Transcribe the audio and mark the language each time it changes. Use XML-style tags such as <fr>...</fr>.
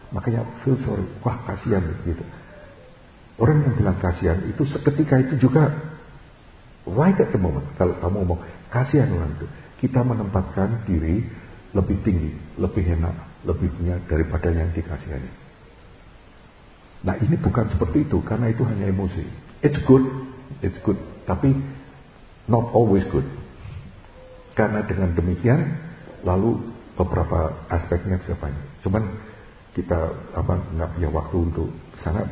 <id>Makanya</id> <en>feel sorry,</en> <id>wah kasihan gitu. Orang yang bilang kasihan itu seketika itu juga</id> <en>right at the moment.</en> <id>Kalau kamu ngomong kasihan orang itu, kita menempatkan diri lebih tinggi, lebih enak, lebih punya daripada yang dikasihani. Nah ini bukan seperti itu, karena itu hanya emosi.</id> <en>It's good,</en> <id>tapi</id> <en>not always good.</en> <id>Karena dengan demikian, lalu beberapa aspeknya sebanyak. Cuman kita apa nggak punya waktu untuk sana.</id>